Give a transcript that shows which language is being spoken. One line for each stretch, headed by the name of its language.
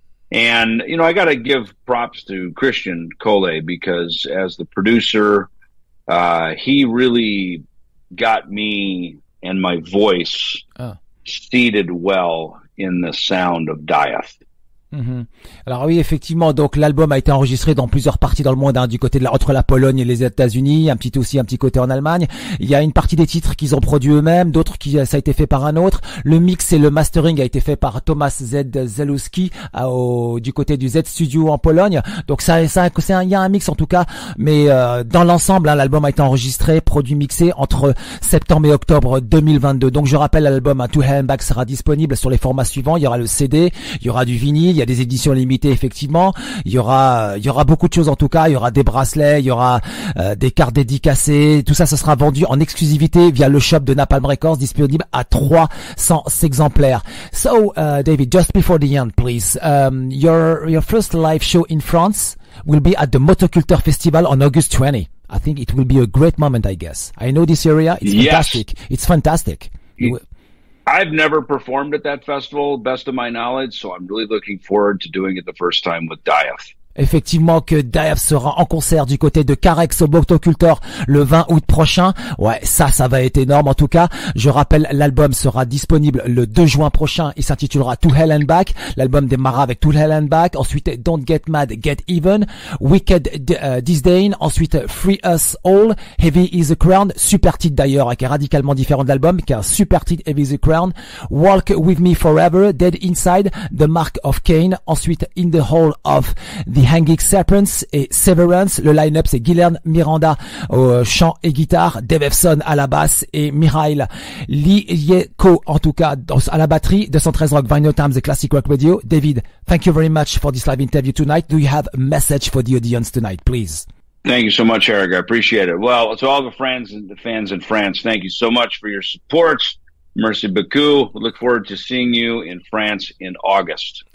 English: And, you know, I got to give props to Christian Cole, because as the producer, he really got me and my voice seated well in the sound of Dieth. Mmh.
French: Alors oui, effectivement, donc l'album a été enregistré dans plusieurs parties dans le monde, hein, du côté de entre la Pologne et les États-Unis, un petit côté en Allemagne. Il y a une partie des titres qu'ils ont produits eux-mêmes, d'autres qui ça a été fait par un autre. Le mix et le mastering a été fait par Thomas Z. Zelowski du côté du Z Studio en Pologne. Donc il y a un mix, en tout cas, mais dans l'ensemble, hein, l'album a été enregistré, produit, mixé entre septembre et octobre 2022. Donc je rappelle, l'album To Hell and Back sera disponible sur les formats suivants. Il y aura le CD, il y aura du vinyle. Il y a des éditions limitées, effectivement. Il y aura beaucoup de choses, en tout cas. Il y aura des bracelets, il y aura des cartes dédicacées. Tout ça, ce sera vendu en exclusivité via le shop de Napalm Records, disponible à 300 exemplaires.
English: So, David, just before the end, please. Your first live show in France will be at the Motocultor Festival on August 20. I think it will be a great moment, I guess. I know this area. It's fantastic. Yes. It's fantastic. I've never performed at that festival, best of my knowledge, so I'm really looking forward to doing it the first time with Dieth.
French: Effectivement que Dieth sera en concert du côté de Carex au Botocultor le 20 août prochain. Ouais, ça va être énorme en tout cas. Je rappelle, l'album sera disponible le 2 juin prochain. Il s'intitulera To Hell and Back. L'album démarra avec To Hell and Back. Ensuite, Don't Get Mad, Get Even. Wicked Disdain. Ensuite, Free Us All. Heavy is a Crown. Super titre d'ailleurs, qui est radicalement différent de l'album, qui est un super titre, Heavy is a Crown. Walk With Me Forever, Dead Inside, The Mark of Cain. Ensuite, In the Hall of The Hanging Serpents et Severance. Le line-up, c'est Guilherme, Miranda au chant et guitare, Dave Ellefson à la basse et Michał, Łysejko en tout cas dans, à la batterie. 213 Rock, Vinyl Times, et Classic Rock Radio.
English: David, thank you very much for this live interview tonight. Do you have a message for the audience tonight, please? Thank you so much, Eric. I appreciate it. Well, to all the friends and the fans in France, thank you so much for your support.
French: Merci beaucoup.
English: Look forward to seeing you in France in August.